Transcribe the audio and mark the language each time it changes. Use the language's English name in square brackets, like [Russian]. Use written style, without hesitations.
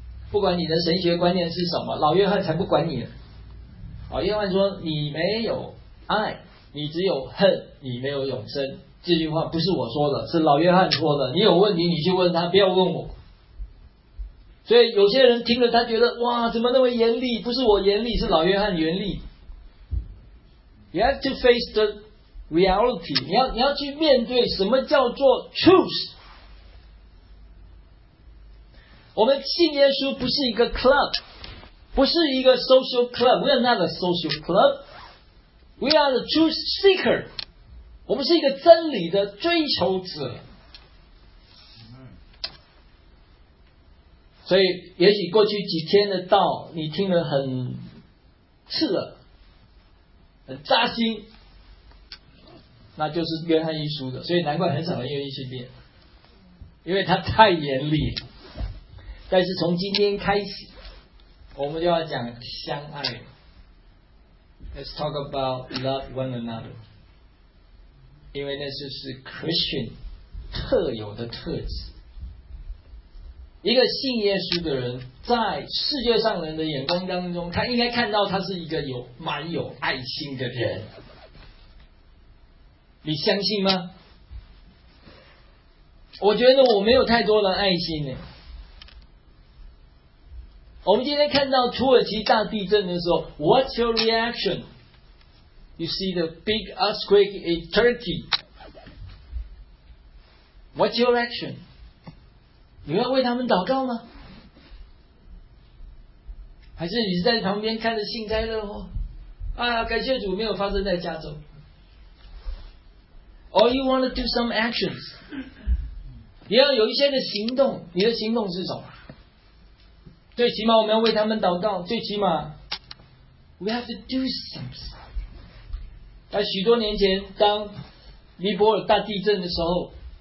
[Chinese] 不管你的神学观念是什么，老约翰才不管你了。老约翰说，你没有爱，你只有恨，你没有永生。这句话不是我说的，是老约翰说的。你有问题你去问他，不要问我。所以有些人听了他觉得，哇，怎么那么严厉，不是我严厉，是老约翰严厉。 [English] You have to face the reality. [Chinese] 你要去面对什么叫做 truth. 我们信耶稣不是一个 club. 不是一个 social club. [English] We are not a social club. We are the truth seeker. [Chinese] 我们是一个真理的追求者。所以也许过去几天的道你听得很刺耳，很扎心，那就是约翰一书的，所以难怪很少人愿意去念，因为他太严厉。但是从今天开始，我们就要讲相爱。 [English] Let's talk about love one another， [Chinese] 因为那就是 Christian 特有的特质。一个信耶稣的人，在世界上人的眼光当中，他应该看到他是一个有蛮有爱心的人。你相信吗？我觉得我没有太多的爱心呢。我们今天看到土耳其大地震的时候 ， [English] What's your reaction? You see the big earthquake in Turkey. What's your reaction? [Chinese] 你要为他们祷告吗？还是你在旁边看着幸灾乐祸？啊，感谢主没有发生在加州。 [English] Or you want to do some actions? [Chinese] 你要有一些的行动，你的行动是什么？最起码我们要为他们祷告，最起码 [English] we have to do something。 [Chinese] 在许多年前，当尼泊尔大地震的时候。